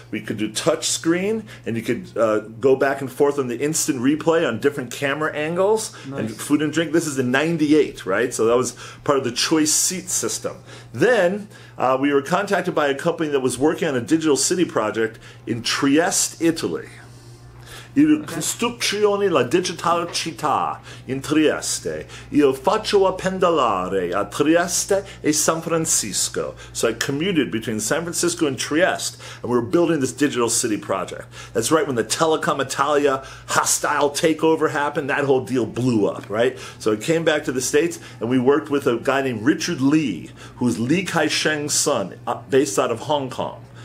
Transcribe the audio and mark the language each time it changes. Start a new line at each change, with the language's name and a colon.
English: We could do touch screen, and you could go back and forth on the instant replay on different camera angles. Nice. And food and drink. This is in 98, right? So that was part of the choice seat system. Then we were contacted by a company that was working on a digital city project in Trieste, Italy.
Italian: Il costruzione la digitale città in Trieste. Io faccio a pendolare a Trieste e San Francisco.
English: So I commuted between San Francisco and Trieste, and we were building this digital city project. That's right when the Telecom Italia hostile takeover happened, that whole deal blew up, right? So I came back to the States, and we worked with a guy named Richard Lee, who's Li Kai-sheng's son, based out of Hong Kong.